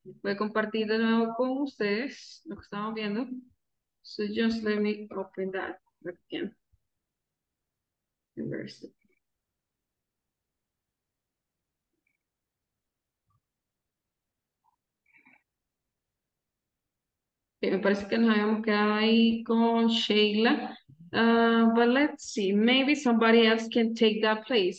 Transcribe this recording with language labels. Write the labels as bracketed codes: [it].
[es] Voy a compartir de nuevo con ustedes lo que estamos viendo. [en] So just let me open that back again. [es] Me parece que nos habíamos quedado ahí con Sheila. [en] But let's see, maybe somebody else can take that place.